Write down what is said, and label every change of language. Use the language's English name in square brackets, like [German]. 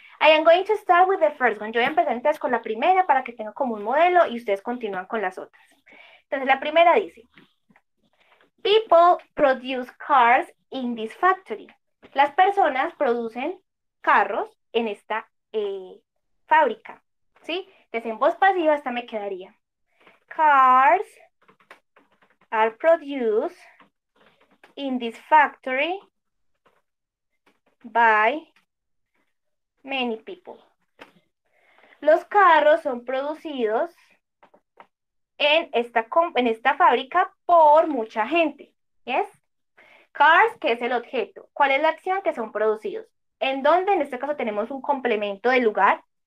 [English] I am going to start with the first one. [Spanish] Yo voy a empezar entonces con la primera para que tenga como un modelo y ustedes continúan con las otras. Entonces, la primera dice, [English] people produce cars in this factory. [Spanish] Las personas producen carros en esta fábrica, ¿sí? Entonces, en voz pasiva esta me quedaría. [English] Cars are produced in this factory by many people. [Spanish] Los carros son producidos en esta fábrica por mucha gente. ¿Yes? Cars, que es el objeto. ¿Cuál es la acción que son producidos? ¿En dónde? En este caso tenemos un complemento de lugar.